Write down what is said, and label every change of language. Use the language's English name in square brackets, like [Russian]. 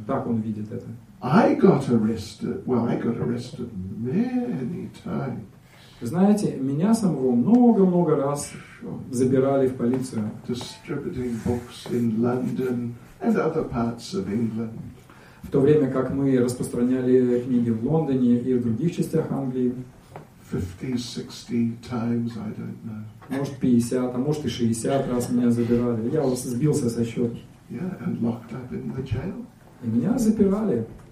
[Russian] Так он видит это. [English] I got arrested. Well, I got arrested many times. [Russian] Знаете, меня самого много-много раз забирали в полицию. [English] Distributing books in London and other parts of England. [Russian] В то время как мы распространяли книги в Лондоне и в других частях Англии. [English] 50-60 times, I don't know. [Russian] Может, 50, а может и 60 раз меня забирали. Я сбился со счета. [English] Yeah, and locked up in the jail. [Russian] И меня запирали.